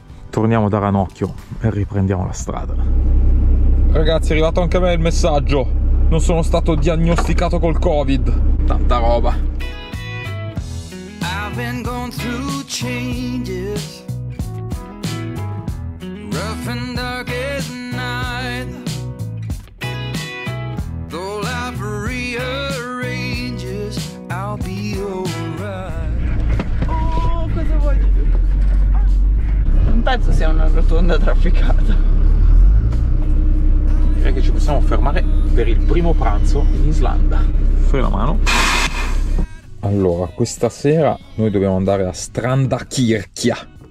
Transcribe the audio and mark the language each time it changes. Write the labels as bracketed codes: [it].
[it] Torniamo da Ranocchio e riprendiamo la strada. Ragazzi, è arrivato anche a me il messaggio. Non sono stato diagnosticato col Covid. Tanta roba. [en] I've been going through changes. Rough and dark at night. Though life rearranges, I'll be alright. [it] Oh, cosa vuoi di più? Non penso sia una rotonda trafficata. Direi che ci possiamo fermare per il primo pranzo in Islanda. Fai la mano. Allora, questa sera noi dobbiamo andare a Strandarkirkja.